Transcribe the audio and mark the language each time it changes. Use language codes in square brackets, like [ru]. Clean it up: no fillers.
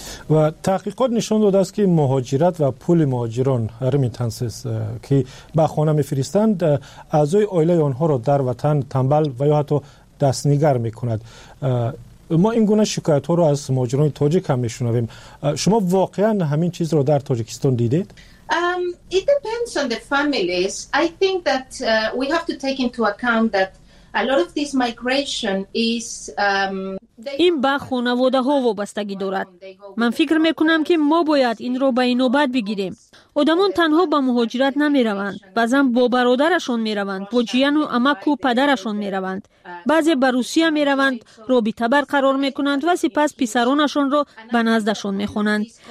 [fa] و تحقیقات نشان داده است که مهاجرت و پول مهاجران رمیتنسس که به خانه می فرستند اعضای آیله آنها را در وطن تنبل و یا حتی دستنگر می کند. ما این گونه شکایت ها را از مهاجران تاجیک هم می شنویم. شما واقعا همین چیز را در تاجیکستان دیدید؟ [en] It depends on the families. I think that we have to take into account that a lot of this migration is [fa] این به خانواده ها وابستگی دارد. من فکر میکنم که ما باید این رو به اینوبت بگیریم. آدمان تنها به مهاجرت نمی روند. بعضن با برادرشون می روند. با جیان و امک و پدرشون می روند. بعضی به روسیه می روند. رابطه برقرار می کنند و سپس پسرانشون رو به نزدشون می خونند.